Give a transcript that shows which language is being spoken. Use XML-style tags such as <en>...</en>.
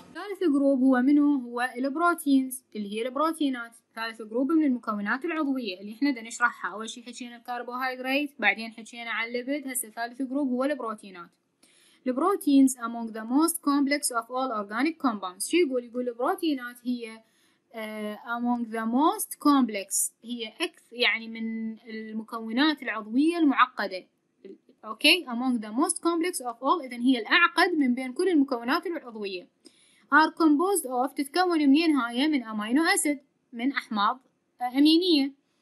<ar>ثالث جروب هو منه؟ هو البروتينز، اللي هي البروتينات. ثالث جروب من المكونات العضوية اللي احنا دا نشرحها، أول شي حكينا الكربوهيدرات، بعدين حكينا على الليبيد، هسه ثالث جروب هو البروتينات.</ar> <en>The proteins among the most complex of all organic compounds.</en> <ar>شو يقول؟ يقول البروتينات هي</ar> <en>among the most complex،</en> <ar>هي أكثر يعني من المكونات العضوية المعقدة.</ar> <en>Okay, among the most complex of all،</en> <ar>إذن هي الأعقد من بين كل المكونات العضوية.</ar> <en>Are composed of،</en> <ar>تتكون منين هاي؟ من أمينو أسيد، من أحماض أمينية.</ar>